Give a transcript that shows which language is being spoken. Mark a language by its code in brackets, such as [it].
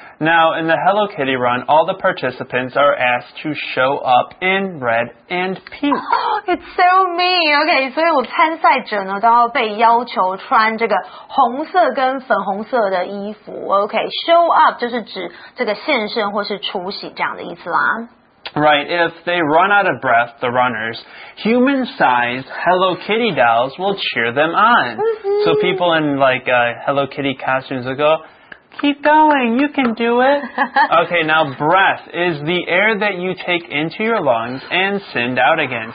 [en] Now, in the Hello Kitty run, all the participants are asked to show up in red and pink. Oh, it's so mean. [zh] Okay, 所以我参赛者呢都要被要求穿这个红色跟粉红色的衣服。 Okay, show up 就是指这个现身或是出席这样的意思啦。 [en] Right, if they run out of breath, the runners, human-sized Hello Kitty dolls will cheer them on. Mm-hmm. So people in like Hello Kitty costumes will go... Keep going, you can do it. Okay, now breath is the air that you take into your lungs and send out again.